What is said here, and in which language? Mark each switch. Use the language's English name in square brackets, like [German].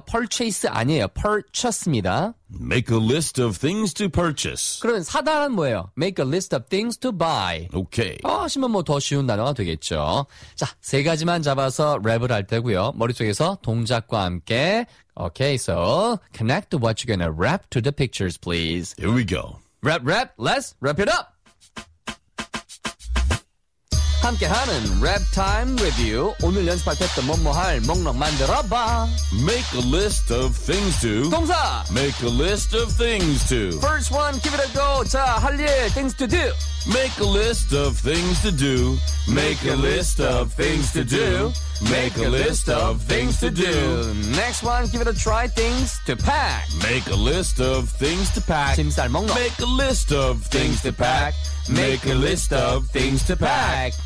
[Korean] Purchase 아니에요. Purchase입니다. [English] Make a list of things to purchase. [Korean] 그러면 사다란 뭐예요? [English] Make a list of things to buy. Okay. [Korean] 아, 하시면 뭐 더 쉬운 단어가 되겠죠. 자, 세 가지만 잡아서 랩을 할 테고요. 머릿속에서 동작과 함께. [English] Okay, so connect what you're gonna rap to the pictures, please. Here we go. Rap, rap, let's wrap it up. [Korean] 함께하는 랩 타임 리뷰. 오늘 연습했던 뭐뭐 할 목록 만들어봐. [English] Make a list of things to. [Korean] 동사. [English] Make a list of things to. First one, give it a go. [Korean] 자, 할 일, [English] things to do. Make a list of things to do. Make a list of things to do. Make a list of things to do. Next one, give it a try. Things to pack. Make a list of things to pack. [Korean] 짐 쌀 목록. [English] Make a list of things to pack. Make a list of things to pack.